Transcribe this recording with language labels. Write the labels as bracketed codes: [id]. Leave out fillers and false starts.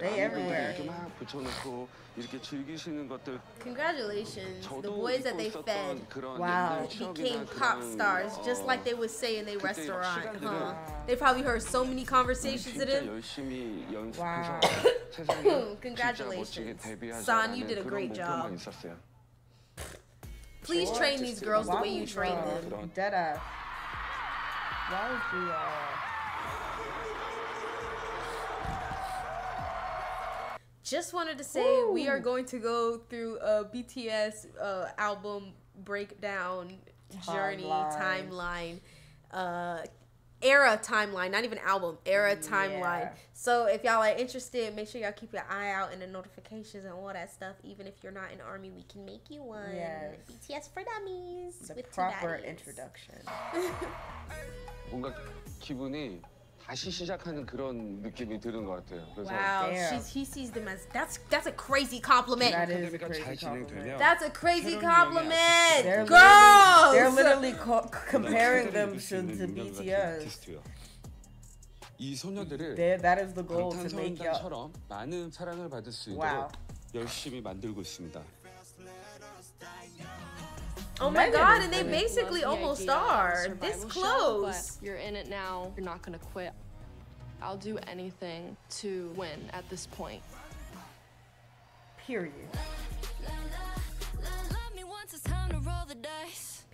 [ko] 아무도 이렇게 막 붙여놓고 이렇게 즐기시는 것들. [en] Congratulations, the boys that they fed. Wow, became pop stars just like they would say in a restaurant. They probably heard so many conversations in it. Wow. Congratulations, Son. You did a great job. Please train these girls the way you train them. Deada. Why is he? Just wanted to say we are going to go through a BTS album breakdown journey, timeline, era timeline, not even album, era timeline. So if y'all are interested, make sure y'all keep your eye out and the notifications and all that stuff. Even if you're not an ARMY, we can make you one. Yes. BTS for dummies. The with proper introduction. [ko] 뭔가 기분이 다시 시작하는 그런 느낌이 드는 것 같아요. 그래서 [en] wow, he sees them as that's a crazy compliment. That is a crazy compliment. That's a crazy compliment. Girls, they're literally comparing them to BTS. [ko] 이 소녀들을 [en] that is the goal to make up. [ko] 많은 사랑을 받을 수 있도록 열심히 만들고 있습니다. [en] Oh my god, and they basically almost are this close. You're in it now. You're not gonna quit. I'll do anything to win at this point. Period. Love me once it's time to roll the dice.